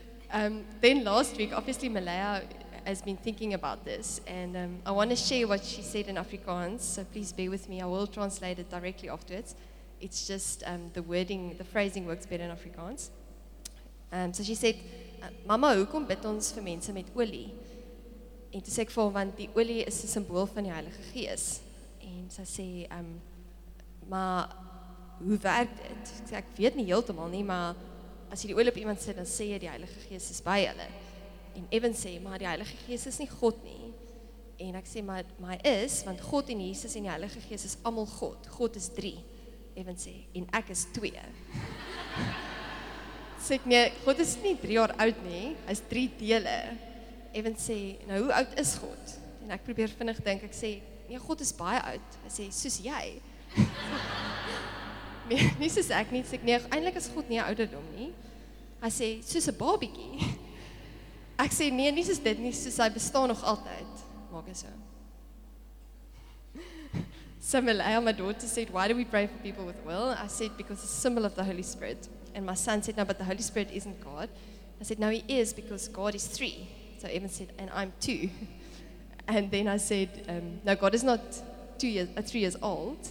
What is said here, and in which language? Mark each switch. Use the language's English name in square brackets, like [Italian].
[English] Then last week, obviously Malaya has been thinking about this, and I want to share what she said in Afrikaans, so please bear with me. I will translate it directly afterwards. It's just the phrasing works better in Afrikaans. So she said, [Afrikaans] Mama, hoekom bid ons vir mense met olie? En toe sê ek vir hom, want die olie is 'n simbool van die Heilige Gees. En sy sê, maar hoe werk dit? Sê, ek weet nie heeltemal nie, maar as jy die olie op iemand sit, dan sê jy die Heilige Gees is by hulle. En Evan sê, maar die Heilige Gees is nie God nie. En ek sê, maar hy is, want God en Jesus en die Heilige Gees is allemaal God. God is 3, Evan sê, en ek is 2. Sê ek, nee, God is nie 3 jaar oud nie, hy is 3 dele. Evan sê, nou hoe oud is God? En ek probeer vinnig dink, ek sê, nee, God is baie oud. Hy sê, soos jy. Nee, nie soos ek nie. Sê ek, nee, eindelijk is God nie ouderdom nie. Hy sê, soos 'n babiekie. Ek sê, nee, nie soos dit nie, soos hy bestaan nog altyd. Maak hy so. [English] So Malaya, my daughter, said, why do we pray for people with oil? I said, because it's a symbol of the Holy Spirit. And my son said, no, but the Holy Spirit isn't God. I said, no, he is, because God is 3. So Evan said, and I'm 2. And then I said, no, God is not 3 years old.